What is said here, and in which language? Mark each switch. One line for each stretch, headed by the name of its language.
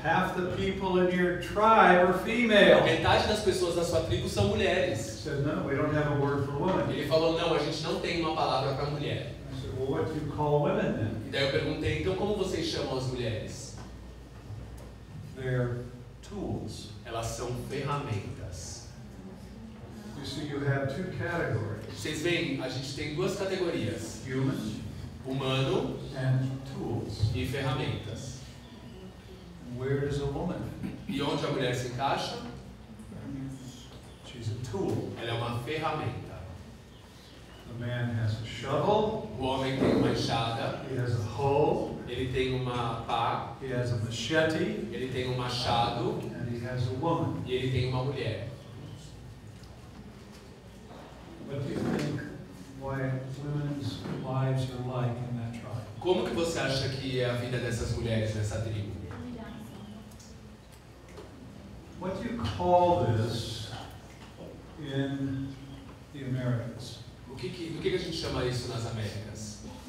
English: Half the people in your tribe are female.
Portuguese: Metade das pessoas da sua tribo são mulheres.
English: I said, "No, we don't have a word for woman."
Portuguese: Ele falou, não, a gente não tem uma palavra para mulher.
English: I said, "Well, what do you call women then?"
Portuguese: E daí eu perguntei, então como vocês chamam as mulheres?
English: They're tools.
Portuguese: Elas são ferramentas.
English: You see, you have two categories.
Portuguese: Vocês veem, a gente tem duas categorias.
English: Human,
Portuguese: humano
English: and tools.
Portuguese: E ferramentas.
English: Where is a woman?
Portuguese: E onde a mulher se encaixa?
English: She's a tool.
Portuguese: Ela é uma ferramenta.
English: A man has a shovel.
Portuguese: O homem tem uma enxada.
English: He has a hoe.
Portuguese: Ele tem uma pá.
English: He has a machete.
Portuguese: Ele tem um machado.
English: And he has a woman.
Portuguese: E ele tem uma mulher.
English: What do you think why women's lives are like in that tribe?
Portuguese: Como que você acha que é a vida dessas mulheres nessa tribo?
English: What do you call this in the Americas?
Portuguese: O que a gente chama isso nas Américas?